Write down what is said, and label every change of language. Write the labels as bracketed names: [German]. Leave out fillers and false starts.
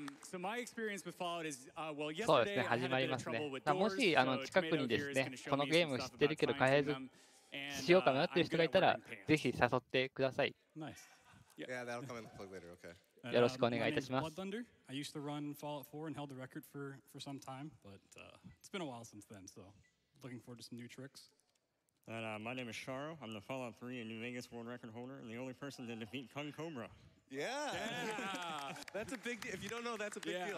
[English] So my experience with Fallout is, well, yesterday I had a bit of trouble with doors. [Japanese] もしあの近くにですね、このゲーム知ってるけど開発しようかなっていう人がいたら、ぜひ誘ってください。 [English] Nice. Yeah, that'll come in the plug later. Okay. [Japanese] よろしくお願いいたします。 [English] Blood Thunder. I used to run Fallout 4 and held the record for some time, but it's been a while since then, so. Looking forward to some new tricks. And my name is Sharo. I'm the Fallout 3 and New Vegas world record holder, and the only person to defeat Kung Cobra. Yeah! That's a big deal. If you don't know, that's a big deal.